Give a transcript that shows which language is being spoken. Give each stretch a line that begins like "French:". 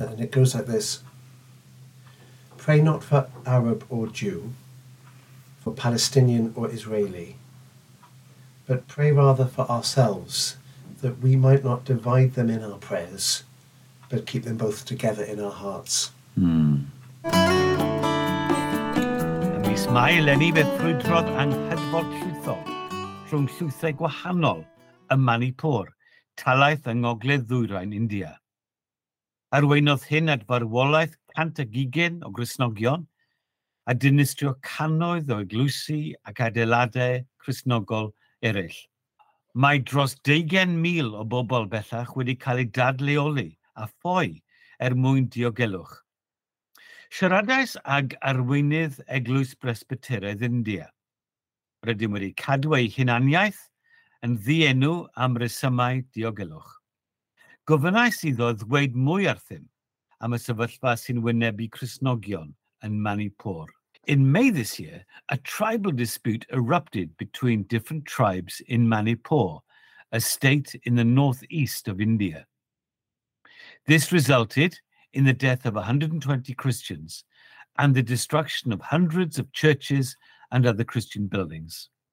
English: And it goes like this: pray not for Arab or Jew, for Palestinian or Israeli, but pray rather for ourselves, that we might not divide them in our prayers, but keep them both together in our hearts.
Welsh: Ym mis Mai eleni fe ffrwydrodd anghydfod llwytho rhwng llwythau gwahanol ym Manipur, talaeth yng Ngogledd Ddwyrain, India. Arweinodd hyn at farwolaeth 120 o Cristnogion a dinistrio cannoedd o eglwysi ac adeiladau Cristnogol eraill. Mae dros 20,000 o bobl bellach wedi cael eu dadleoli a phoi er mwyn diogelwch. Siaradais ag arweinydd eglwys Presbyteraidd India. Rydym wedi cadw eu hunaniaeth yn ddienw am resymau diogelwch. Gofynnais iddo ddweud mwy arthyn am y sefyllfa sy'n wynebu Cristnogion yn Manipur.
English: In May this year, a tribal dispute erupted between different tribes in Manipur, a state in the northeast of India. This resulted in the death of 120 Christians and the destruction of hundreds of churches and other Christian buildings.